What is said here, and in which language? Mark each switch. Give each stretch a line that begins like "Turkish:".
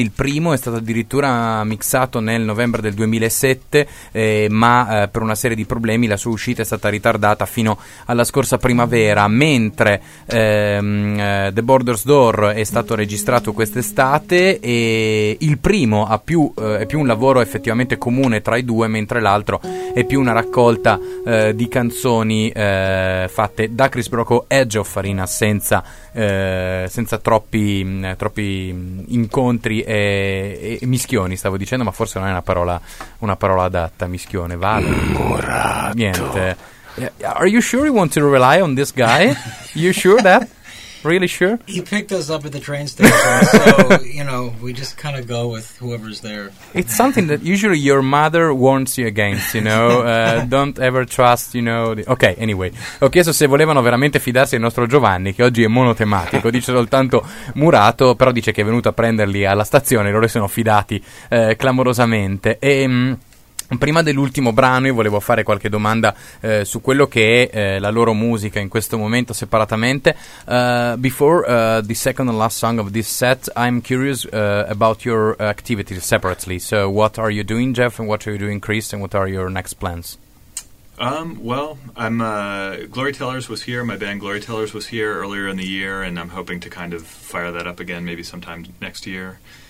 Italian: Il primo è stato addirittura mixato nel novembre del 2007, ma per una serie di problemi la sua uscita è stata ritardata fino alla scorsa primavera, mentre The Border's Door è stato registrato quest'estate, e il primo è più un lavoro effettivamente comune tra i due, mentre l'altro è più una raccolta di canzoni fatte da Chris Procco e Geoff Farina senza troppi incontri e mischioni, stavo dicendo, ma forse non è una parola adatta, mischione, vale. Murato. Niente.
English: Are you sure you want to rely on this guy? You sure that? Really sure? He picked us up at the train station, so, you know, we just kind of go with whoever's there. It's something that usually your mother warns you against, you know, don't ever trust, you know. Ok, anyway,
Italian: ho chiesto se volevano veramente fidarsi del nostro Giovanni, che oggi è monotematico, dice soltanto murato, però dice che è venuto a prenderli alla stazione, loro sono fidati clamorosamente. E... prima dell'ultimo brano io volevo fare qualche domanda su quello che è la loro musica in questo momento separatamente.
English: Before the second and last song of this set, I'm curious about your activities separately. So what are you doing, Jeff, and what are you doing, Chris, and what are your next plans? Well, I'm Glory Tellers was here, my band Glory Tellers was here earlier in the year, and I'm hoping to kind of fire that up again maybe sometime next year.